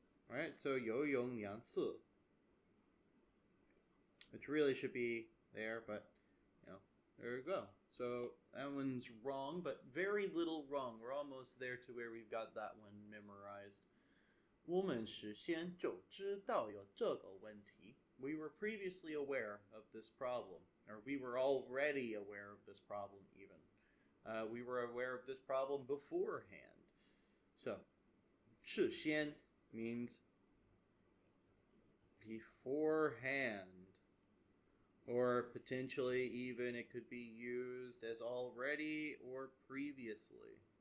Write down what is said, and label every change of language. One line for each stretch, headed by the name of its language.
English: Alright, so
Chinese: 游泳两次,
English: which really should be there, but, you know, there you go. So, that one's wrong, but very little wrong. We're almost there to where we've got that one memorized.
Chinese: 我们事先就知道有这个问题.
English: We were previously aware of this problem, or we were already aware of this problem, even. We were aware of this problem beforehand. So, 事先means beforehand, or potentially even it could be used as already or previously.